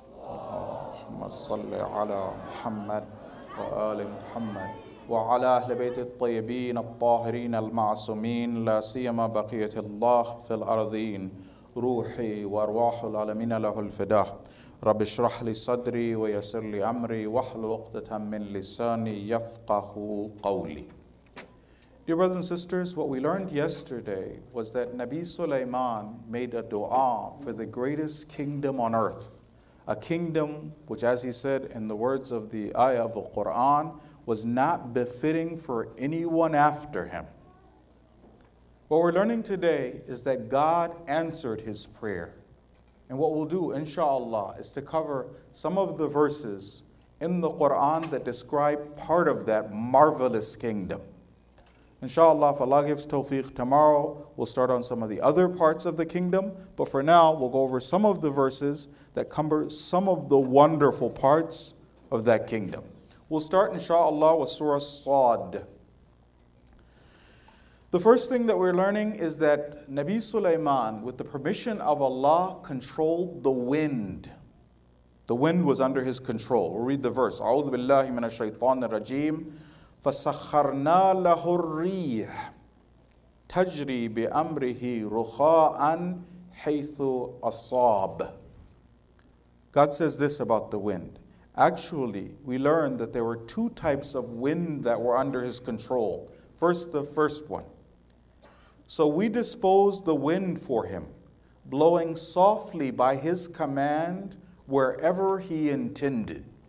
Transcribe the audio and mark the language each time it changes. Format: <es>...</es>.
<ar>اللهم صل على محمد وآل محمد وعلى أهل بيت الطيبين الطاهرين المعصومين لا سيما بقية الله في الأرضين روحي وأرواح العالمين له الفداء رب اشرح لي صدري ويسر لي امري واحلل عقدة من لساني يفقهوا قولي.</ar> <en>Dear brothers and sisters, what we learned yesterday was that Nabi Sulaiman made a dua for the greatest kingdom on earth, a kingdom which, as he said in the words of the ayah of the Quran, was not befitting for anyone after him. What we're learning today is that God answered his prayer. And what we'll do, inshallah, is to cover some of the verses in the Quran that describe part of that marvelous kingdom. Inshallah, if Allah gives tawfiq, tomorrow we'll start on some of the other parts of the kingdom. But for now, we'll go over some of the verses that cover some of the wonderful parts of that kingdom. We'll start, inshallah, with Surah Sad. The first thing that we're learning is that Nabi Sulaiman, with the permission of Allah, controlled the wind. The wind was under his control. We'll read the verse.</en> <ar>أعوذ بالله من الشيطان الرجيم فسخرنا له الريح تجري بأمره رخاء حيث أصاب.</ar> <en>God says this about the wind. Actually, we learned that there were two types of wind that were under his control. First, the first one. So we disposed the wind for him, blowing softly by his command wherever he intended.</en>